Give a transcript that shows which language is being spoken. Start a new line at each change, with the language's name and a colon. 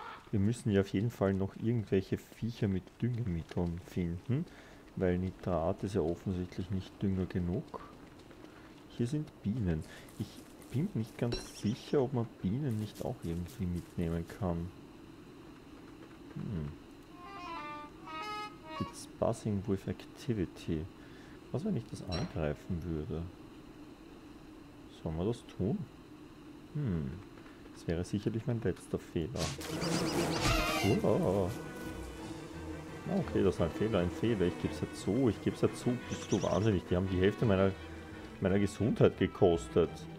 German: Wir müssen ja auf jeden Fall noch irgendwelche Viecher mit Düngemitteln finden, weil Nitrat ist ja offensichtlich nicht Dünger genug. Hier sind Bienen. Ich bin nicht ganz sicher, ob man Bienen nicht auch irgendwie mitnehmen kann.
English: It's buzzing with activity.
German: Was, wenn ich das angreifen würde? Sollen wir das tun? Das wäre sicherlich mein letzter Fehler. Okay, das war ein Fehler, ein Fehler. Ich gebe es ja zu, ich gebe es ja zu. Bist du wahnsinnig? Die haben die Hälfte meiner Gesundheit gekostet.